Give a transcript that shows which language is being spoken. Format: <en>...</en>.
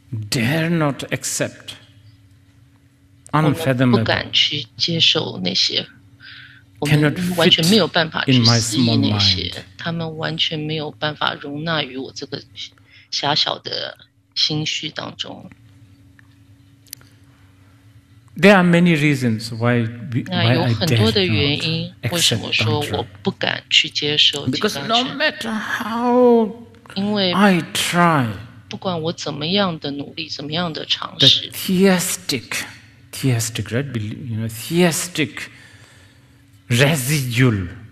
<en>Dare not accept unfathomable.</en> <zh>不敢去接受那些，我们完全没有办法去吸引那些，他们完全没有办法容纳于我这个狭小的心绪当中。</zh> <en>There are many reasons why I dare not accept.</en> <zh>那有很多的原因，为什么说我不敢去接受？</zh> <en>Because no matter how I try.</en> <zh>不管我怎么样的努力，怎么样的尝试</zh> <en>，the theistic, right? You know, theistic residual，</en>